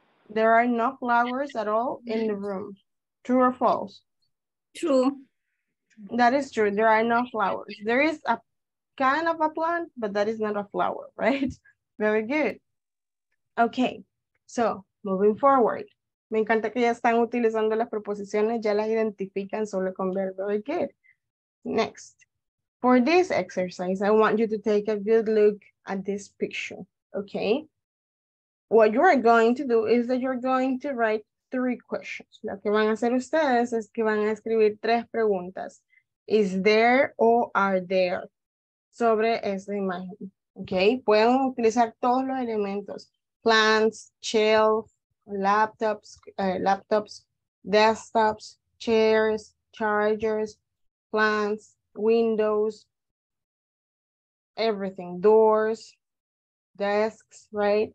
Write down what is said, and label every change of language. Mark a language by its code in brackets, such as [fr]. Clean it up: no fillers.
[en] There are no flowers at all in the room. True or false? True. That is true. There are no flowers. There is a kind of a plant, but that is not a flower, right? Very good. Okay, so moving forward. [es] Me encanta que ya están utilizando las preposiciones, ya las identifican solo con verbo. [en] Very good. Next. For this exercise, I want you to take a good look at this picture, okay? What you are going to do is that you're going to write three questions. [es] Lo que van a hacer ustedes es que van a escribir tres preguntas. [en] Is there or are there? [es] Sobre esta imagen, [en] okay? [es] Pueden utilizar todos los elementos. [en] Plants, shelf, laptops, laptops, desktops, chairs, chargers, plants, windows, everything, doors, desks, right?